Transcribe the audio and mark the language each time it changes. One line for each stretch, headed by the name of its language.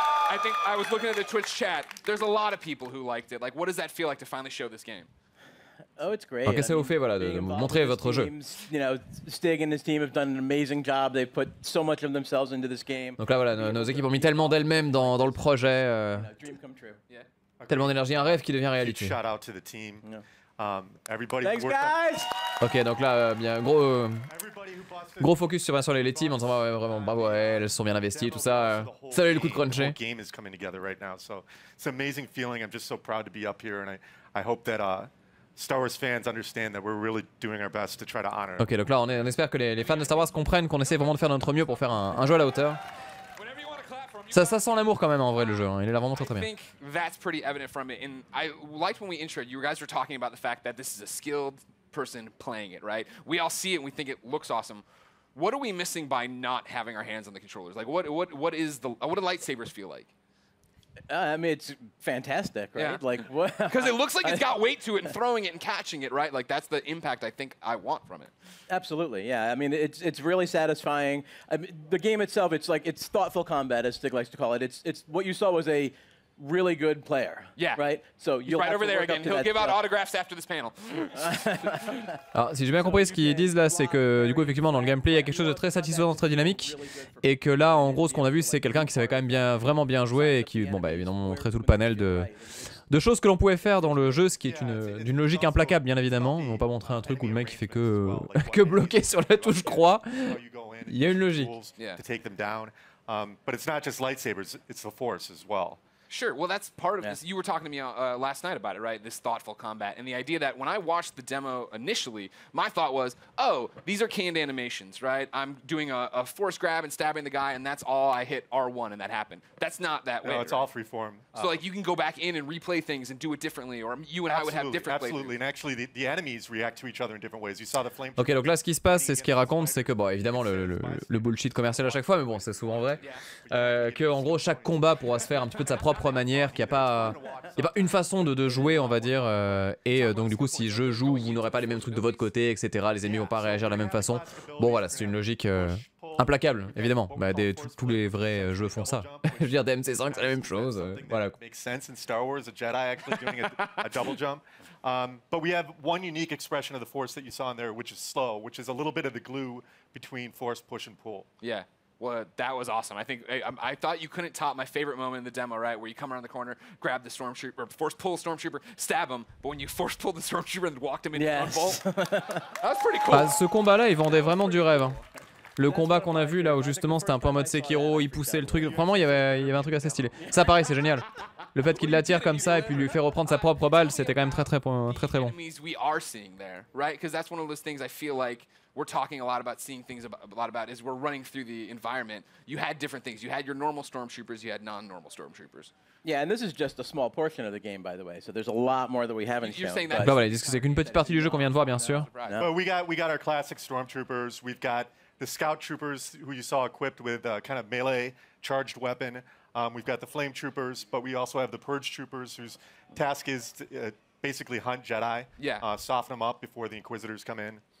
English: I think I was looking at the Twitch chat. There's a lot of people who liked it. Like, what does that feel like to finally show this game? Oh, it's great.
French: Qu'est-ce que ça vous fait, voilà, de montrer votre jeu?
English: You know, Stig and his team have done an amazing job. They put so much of themselves into this game.
French: Donc là, voilà, nos équipes ont mis tellement d'elles-mêmes dans le projet.
English: Dream come true. Yeah.
French: Tellement d'énergie, un rêve qui devient réalité.
English: Shout out to the team. Everybody. Thanks, guys.
French: Ok, donc là, bien gros, gros focus sur les teams en disant ouais, vraiment bravo, ouais, elles sont bien investies, tout ça. Ça a eu le coup de cruncher.
English: The game is coming together right now, so it's an amazing feeling. I'm just so proud to be up here, and I hope that Star Wars fans understand that we're really doing our best to try to honor.
French: Ok, donc là, on espère que les fans de Star Wars comprennent qu'on essaie vraiment de faire notre mieux pour faire un jeu à la hauteur. Ça sent l'amour quand même en vrai le jeu, hein. Il est là vraiment très très bien.
English: I think that's pretty evident from it, and I liked when we intro'd, you guys were talking about the fact that this is a skilled person playing it, right? We all see it and we think it looks awesome. What are we missing by not having our hands on the controllers? Like what is the, what do lightsabers feel like? I mean, it's fantastic, right? Yeah. Like what? Because it looks like it's got weight to it, and throwing it and catching it, right? Like that's the impact I think I want from it. Absolutely, yeah. I mean, it's really satisfying. I mean, the game itself, it's like it's thoughtful combat, as Stig likes to call it. It's what you saw was a really good player. Yeah. Right. So you'll he's right have over to there again. He'll give out stuff. Autographs after this panel.
French: Alors, si j'ai bien compris ce qu'ils disent là, c'est que du coup, effectivement, dans le gameplay, il y a quelque chose de très satisfaisant, très dynamique, et que là, en gros, ce qu'on a vu, c'est quelqu'un qui savait quand même bien, vraiment bien jouer, et qui, bon, bah, évidemment, montrait tout le panel de choses que l'on pouvait faire dans le jeu, ce qui est d'une logique implacable, bien évidemment. Ils vont pas montrer un truc où le mec il fait que bloquer sur la touche croix. Il y a une logique.
English: Yeah. But it's not just lightsabers; it's the Force as well. Sure. Well, that's part of this. You were talking to me last night about it, right? This thoughtful combat and the idea that when I watched the demo initially, my thought was, oh, these are canned animations, right? I'm doing a force grab and stabbing the guy, and that's all. I hit R1, and that happened. That's not that way. No, it's all freeform. So, like, you can go back in and replay things and do it differently, or you and I would have different. Absolutely. And actually, the enemies react to each other in different ways. You saw the flame. Okay.
French: Donc là, ce qui se passe, c'est ce qu'il raconte, c'est que bon, évidemment, le bullshit commercial à chaque fois, mais bon, c'est souvent vrai. Que en gros, chaque combat pourra se faire un petit peu de sa propre manière, qu'il n'y a pas une façon de jouer, on va dire, et donc du coup, si je joue, vous n'aurez pas les mêmes trucs de votre côté, etc. Les ennemis vont pas réagir de la même façon. Bon, voilà, c'est une logique implacable, évidemment. Bah, tous les vrais jeux font ça. Je veux dire, DMC5, c'est la même chose. Voilà.
English: Star Wars,
French: un Jedi
English: actually doing a double jump. But we have one unique expression of the Force that you saw in there, which is slow, which is a little bit of the glue between Force push and pull. Yeah. Well, that was awesome. I think I thought you couldn't top my favorite moment in the demo, right? Where you come around the corner, grab the stormtrooper, force pull the stormtrooper, stab him. But when you force pull the stormtrooper and walked him into the bolt, that was pretty cool.
French: Bah, ce combat-là, il vendait vraiment du rêve. Hein. Le combat qu'on a vu là, où justement, c'était un peu en mode Sekiro, il poussait le truc. Vraiment, il y avait un truc assez stylé. Ça, pareil, c'est génial. Le fait qu'il l'attire comme ça et puis lui faire reprendre sa propre balle, c'était quand même très très très très, très bon.
English: Enemies we are seeing there, right? Because that's one of those things I feel like. We're talking a lot about seeing things a lot about is we're running through the environment. You had different things. You had your normal stormtroopers. You had non-normal stormtroopers. Yeah, and this is just a small portion of the game, by the way. So there's a lot more that we haven't you're shown. You're saying that?
French: Bah voilà, c'est qu'une petite partie du jeu qu'on vient de voir, bien sûr.
English: No. But we got our classic stormtroopers. We've got the scout troopers who you saw equipped with a kind of melee charged weapon. We've got the flame troopers, but we also have the purge troopers whose task is to, basically hunt Jedi. Yeah. Soften them up before the Inquisitors come in.